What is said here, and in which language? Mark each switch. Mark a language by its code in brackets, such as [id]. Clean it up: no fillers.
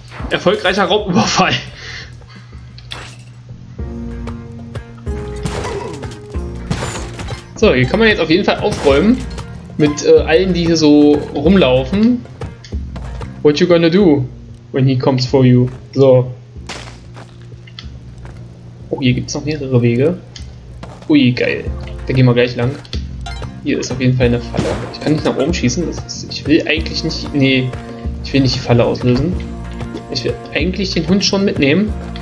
[de] Erfolgreicher Raubüberfall. So, hier kann man jetzt auf jeden Fall aufräumen. Mit allen, die hier so rumlaufen. [en] What you gonna do when he comes for you? [de] So. Oh, hier gibt es noch mehrere Wege. Ui, geil. Da gehen wir gleich lang. Hier ist auf jeden Fall eine Falle. Ich kann nicht nach oben schießen. Das ist, ich will eigentlich nicht. Nee, ich will nicht die Falle auslösen. Ich will eigentlich den Hund schon mitnehmen.